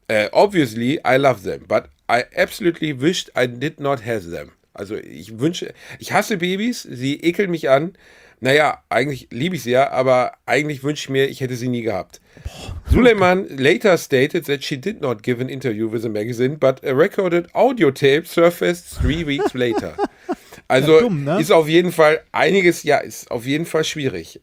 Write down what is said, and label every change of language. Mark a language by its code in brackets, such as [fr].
[en] Obviously, I love them, but I absolutely wished I did not have them. [de] Also ich hasse Babys, sie ekeln mich an. Naja, eigentlich liebe ich sie ja, aber eigentlich wünsche ich mir, ich hätte sie nie gehabt. [en] Suleiman later stated that she did not give an interview with a magazine, but a recorded audio tape surfaced 3 weeks later. [de] Also ja, dumm, ne? Ist auf jeden Fall einiges, ja, ist auf jeden Fall schwierig.